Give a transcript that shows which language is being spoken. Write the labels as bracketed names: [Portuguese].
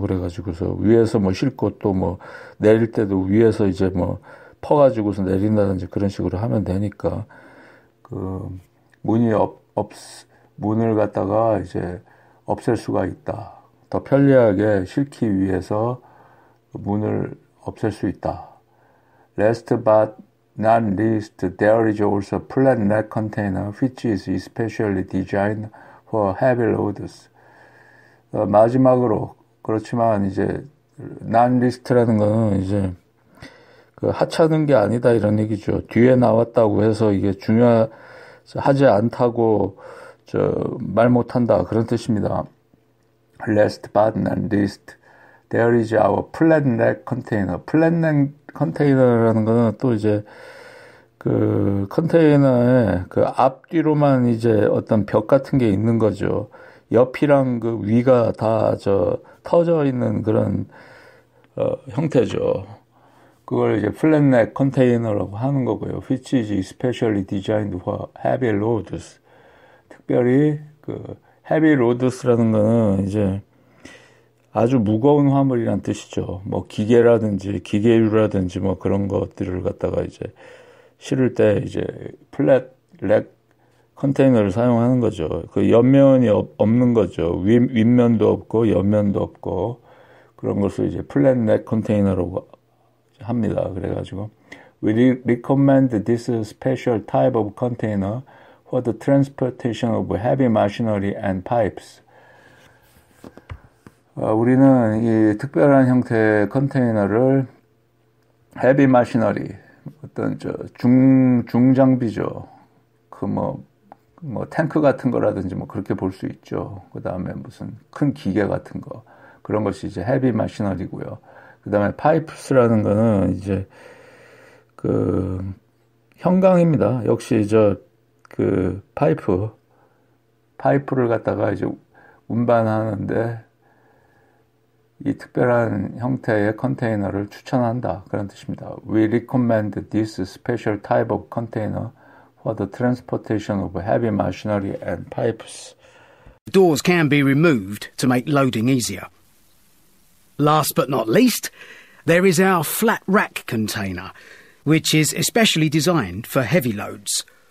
[Korean] 그래가지고서 위에서 뭐쉴 것도 뭐 내릴 때도 위에서 이제 뭐 퍼가지고서 내린다든지 그런 식으로 하면 되니까 그 문을 갖다가 이제 없앨 수가 있다. 더 편리하게 싣기 위해서 문을 없앨 수 있다. [English] Not least, there is also a flat rack container, which is especially designed for heavy loads. [Korean] 마지막으로, 그렇지만 이제 [English] not least [Korean] 라는 거는 이제 그 하찮은 게 아니다 이런 얘기죠. 뒤에 나왔다고 해서 이게 중요하지 않다고 말 못한다 그런 뜻입니다. [English] Last but not least, there is our flat rack container. [Korean] Flat rack container라는 거는 또 이제 그 컨테이너에 그 앞뒤로만 이제 어떤 벽 같은 게 있는 거죠. 옆이랑 그 위가 다저 터져 있는 그런 형태죠. 그걸 이제 플랫넥 컨테이너라고 하는 거고요. [English] Which is especially designed for heavy loads. [Korean] 특별히 그 [English] heavy loads [Korean] 라는 거는 이제 아주 무거운 화물이란 뜻이죠. 뭐 기계라든지 기계류라든지 뭐 그런 것들을 갖다가 이제 실을 때 이제 플랫 랙 컨테이너를 사용하는 거죠. 그 옆면이 없는 거죠. 윗면도 없고 옆면도 없고 그런 것을 이제 플랫 랙 컨테이너라고 합니다. 그래가지고 [English] We recommend this special type of container for the transportation of heavy machinery and pipes. [Korean] 우리는 이 특별한 형태의 컨테이너를 [English] heavy machinery [Korean] 어떤 저 중장비죠. 그뭐 탱크 같은 거라든지 뭐 그렇게 볼수 있죠. 그다음에 무슨 큰 기계 같은 거 그런 것이 이제 헤비 머신러리고요. 그다음에 파이프스라는 거는 이제 그 형광입니다. 역시 저그 파이프를 갖다가 이제 운반하는데 이 특별한 형태의 컨테이너를 추천한다. 그런 뜻입니다. [English] We recommend this special type of container for the transportation of heavy machinery and pipes. Doors can be removed to make loading easier. Last but not least, there is our flat rack container, which is especially designed for heavy loads.